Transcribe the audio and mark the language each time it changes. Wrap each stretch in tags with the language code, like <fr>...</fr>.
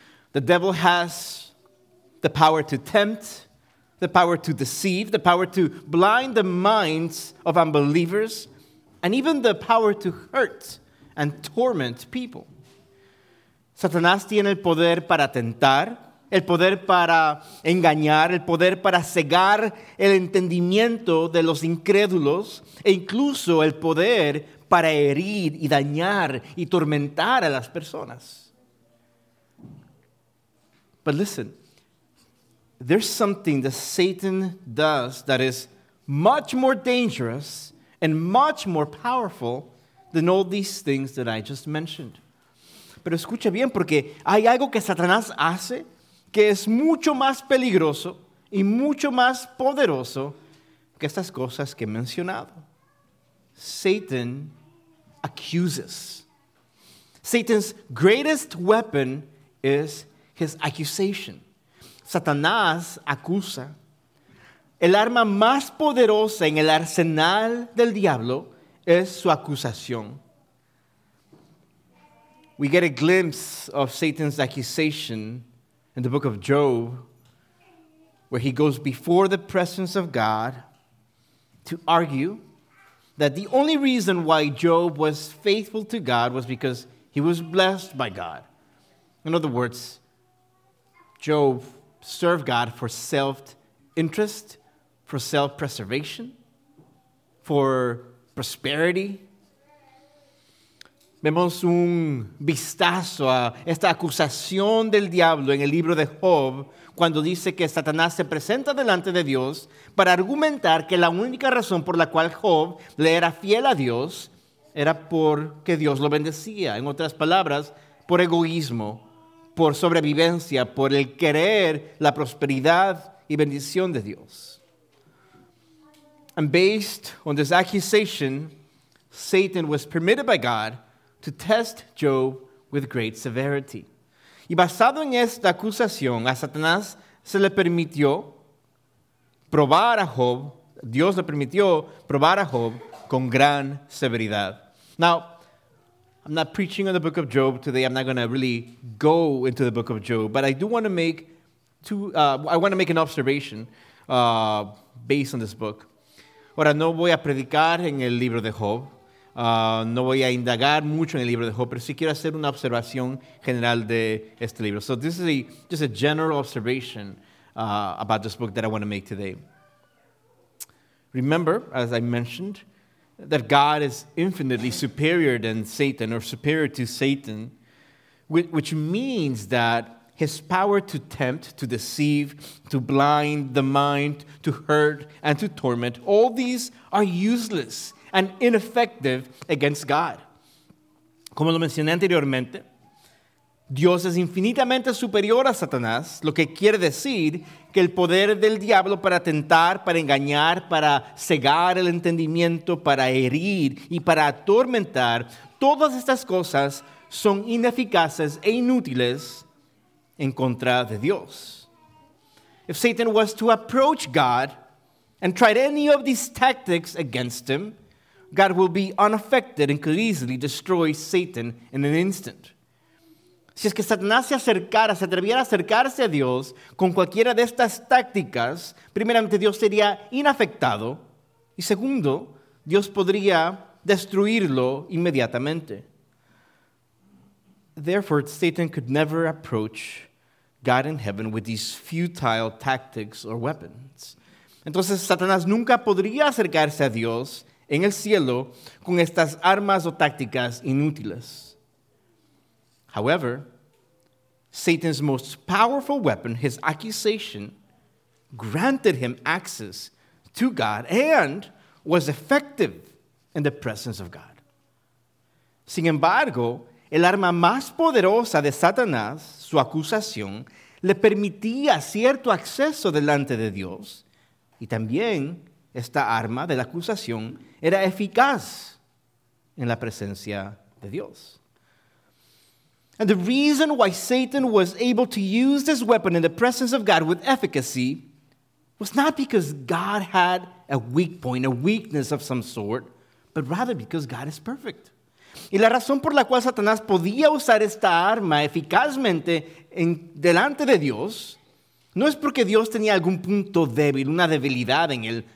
<en>The devil has the power to tempt, the power to deceive, the power to blind the minds of unbelievers, and even the power to hurt and torment people.</en> <es>Satanás tiene el poder para tentar, el poder para engañar, el poder para cegar el entendimiento de los incrédulos, e incluso el poder para herir y dañar y tormentar a las personas.</es> <en>But listen, there's something that Satan does that is much more dangerous and much more powerful than all these things that I just mentioned.</en> <es>Pero escucha bien, porque hay algo que Satanás hace que es mucho más peligroso y mucho más poderoso que estas cosas que he mencionado.</es> <en>Satan accuses. Satan's greatest weapon is his accusation.</en> <es>Satanás acusa. El arma más poderosa en el arsenal del diablo es su acusación.</es> <en>We get a glimpse of Satan's accusation in the book of Job, where he goes before the presence of God to argue that the only reason why Job was faithful to God was because he was blessed by God. In other words, Job served God for self-interest, for self-preservation, for prosperity.</en> <es>Vemos un vistazo a esta acusación del diablo en el libro de Job cuando dice que Satanás se presenta delante de Dios para argumentar que la única razón por la cual Job le era fiel a Dios era porque Dios lo bendecía. En otras palabras, por egoísmo, por sobrevivencia, por el querer la prosperidad y bendición de Dios.</es> <en>And based on this accusation, Satan was permitted by God to test Job with great severity.</en> <es>Y basado en esta acusación, a Satanás se le permitió probar a Job, Dios le permitió probar a Job con gran severidad.</es> <en>Now, I'm not preaching on the book of Job today. I'm not going to really go into the book of Job, but I do want to make an observation based on this book.</en> <es>Ahora no voy a predicar en el libro de Job. No voy a indagar mucho en el libro de Job, pero sí quiero hacer una observación general de este libro.</es> <en>So this is just a general observation about this book that I want to make today. Remember, as I mentioned, that God is infinitely superior than Satan, or superior to Satan, which means that his power to tempt, to deceive, to blind the mind, to hurt, and to torment, all these are useless and ineffective against God.</en> <es>Como lo mencioné anteriormente, Dios es infinitamente superior a Satanás, lo que quiere decir que el poder del diablo para tentar, para engañar, para cegar el entendimiento, para herir y para atormentar, todas estas cosas son ineficaces e inútiles en contra de Dios.</es> <en>If Satan was to approach God and tried any of these tactics against him, God will be unaffected and could easily destroy Satan in an instant.</en> <es>Si es que Satanás se atreviera a acercarse a Dios con cualquiera de estas tácticas, primeramente Dios sería inafectado, y segundo, Dios podría destruirlo inmediatamente.</es> <en>Therefore, Satan could never approach God in heaven with these futile tactics or weapons.</en> <es>Entonces Satanás nunca podría acercarse a Dios en el cielo con estas armas o tácticas inútiles.</es> <en>However, Satan's most powerful weapon, his accusation, granted him access to God and was effective in the presence of God.</en> <es>Sin embargo, el arma más poderosa de Satanás, su acusación, le permitía cierto acceso delante de Dios. Y también esta arma de la acusación era eficaz en la presencia de Dios.</es> <en>And the reason why Satan was able to use this weapon in the presence of God with efficacy was not because God had a weak point, a weakness of some sort, but rather because God is perfect.</en> <es>Y la razón por la cual Satanás podía usar esta arma eficazmente delante de Dios no es porque Dios tenía algún punto débil, una debilidad en él.</es>